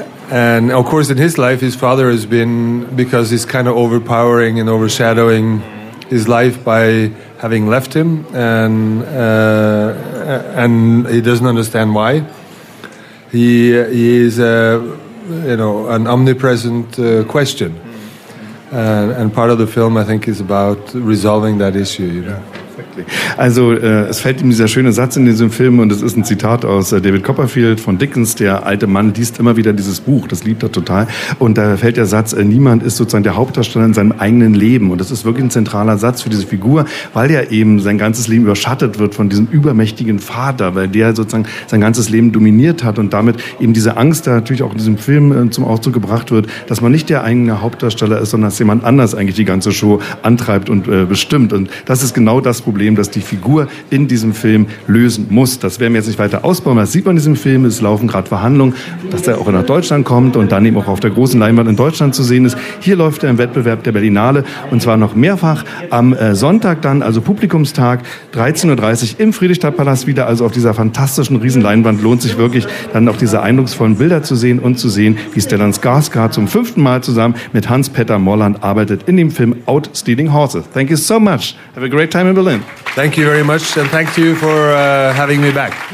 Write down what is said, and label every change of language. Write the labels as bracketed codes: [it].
[en] And of course, in his life, his father has been, because he's kind of overpowering and overshadowing his life by having left him, and he doesn't understand why. He is you know, an omnipresent question. And part of the film, I think, is about resolving that issue, you know. [de] Also es fällt ihm dieser schöne Satz in diesem Film, und es ist ein Zitat aus David Copperfield von Dickens. Der alte Mann liest immer wieder dieses Buch, das liebt er total, und da fällt der Satz, niemand ist sozusagen der Hauptdarsteller in seinem eigenen Leben. Und das ist wirklich ein zentraler Satz für diese Figur, weil er eben sein ganzes Leben überschattet wird von diesem übermächtigen Vater, weil der sozusagen sein ganzes Leben dominiert hat und damit eben diese Angst da natürlich auch in diesem Film zum Ausdruck gebracht wird, dass man nicht der eigene Hauptdarsteller ist, sondern dass jemand anders eigentlich die ganze Show antreibt und bestimmt. Und das ist genau das Problem, Problem, das die Figur in diesem Film lösen muss. Das werden wir jetzt nicht weiter ausbauen. Das sieht man in diesem Film. Es laufen gerade Verhandlungen, dass er auch nach Deutschland kommt und dann eben auch auf der großen Leinwand in Deutschland zu sehen ist. Hier läuft er im Wettbewerb der Berlinale und zwar noch mehrfach am Sonntag dann, also Publikumstag, 13.30 Uhr im Friedrichstadtpalast wieder, also auf dieser fantastischen Riesenleinwand. Lohnt sich wirklich, dann auch diese eindrucksvollen Bilder zu sehen und zu sehen, wie Stellan Skarsgård zum 5. Mal zusammen mit Hans-Peter Morland arbeitet in dem Film Out Stealing Horses. [en] Thank you so much. Have a great time in Berlin. Thank you very much and thank you for having me back.